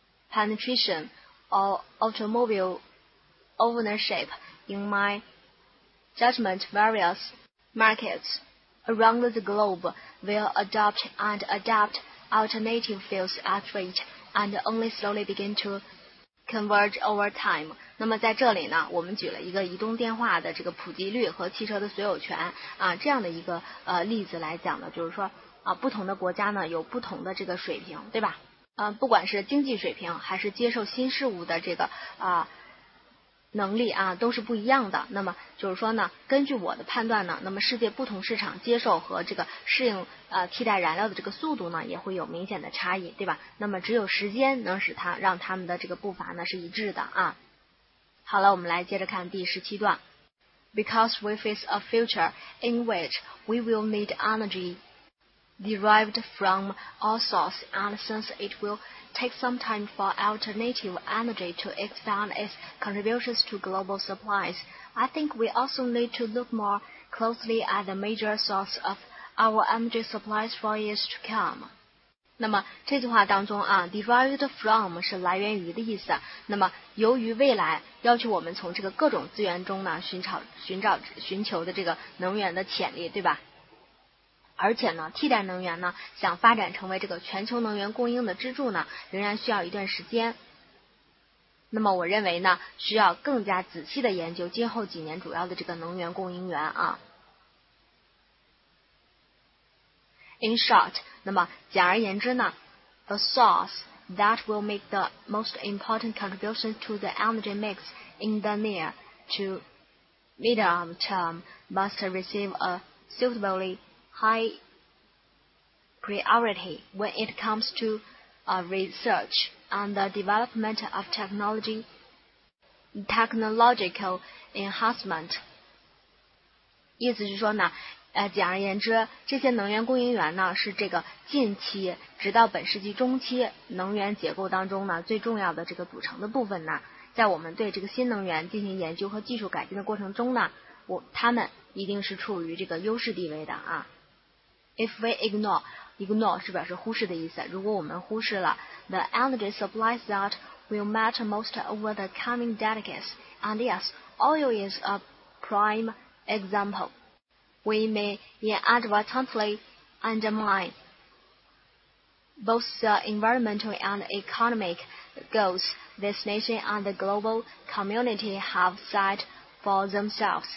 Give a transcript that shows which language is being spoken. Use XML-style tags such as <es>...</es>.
<en>Penetration or automobile ownership, in my judgment, various markets around the globe will adopt and adapt alternative fuels at rate and only slowly begin to converge over time.</en> <zh>那么在这里呢，我们举了一个移动电话的这个普及率和汽车的所有权啊这样的一个例子来讲呢，就是说啊不同的国家呢有不同的这个水平，对吧？不管是经济水平还是接受新事物的这个能力啊，都是不一样的。那么就是说呢，根据我的判断呢，那么世界不同市场接受和这个适应替代燃料的这个速度呢，也会有明显的差异，对吧？那么只有时间能使它让他们的这个步伐呢是一致的啊。好了，我们来接着看第十七段。</zh> <en>Because we face a future in which we will need energy. Derived from all sources, and since it will take some time for alternative energy to expand its contributions to global supplies, I think we also need to look more closely at the major source of our energy supplies for years to come.</en> <zh>那么这句话当中啊 ，</zh> <en>derived from</en> <zh>是来源于的意思。那么由于未来要求我们从这个各种资源中呢寻求的这个能源的潜力，对吧？而且呢，替代能源呢，想发展成为这个全球能源供应的支柱呢，仍然需要一段时间。那么我认为呢，需要更加仔细的研究今后几年主要的这个能源供应源啊。</zh> <en>In short,</en> <zh>那么简而言之呢</zh> <en>,the source that will make the most important contribution to the energy mix in the near to medium term must receive a suitablyhigh priority when it comes to research and the development of technological enhancement.</en> <zh>意思是说呢，简而言之，这些能源供应源呢，是这个近期直到本世纪中期能源结构当中呢最重要的这个组成的部分呢，在我们对这个新能源进行研究和技术改进的过程中呢，他们一定是处于这个优势地位的啊。</zh> <en>If we ignore</en> <zh>是表示忽视的意思，如果我们忽视了</zh> <en>the energy supplies that will matter most over the coming decades, and yes, oil is a prime example, we may inadvertently undermine both the environmental and economic goals this nation and the global community have set for themselves.</en>